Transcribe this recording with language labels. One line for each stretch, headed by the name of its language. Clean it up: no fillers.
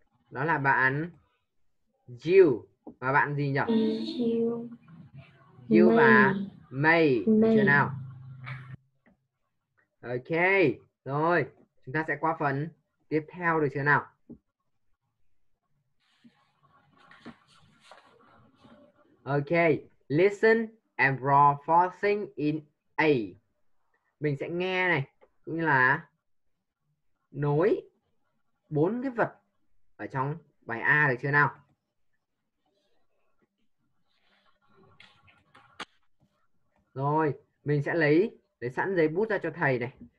Vietnamese: Đó là bạn Jill. Và bạn gì nhỉ? Jill và May. Chưa nào? Ok, rồi. Chúng ta sẽ qua phần tiếp theo được chưa nào?
English: Ok, listen and draw four things in A.
Vietnamese: Mình sẽ nghe này, cũng như là nối bốn cái vật ở trong bài A được chưa nào? Rồi, mình sẽ lấy sẵn giấy bút ra cho thầy này.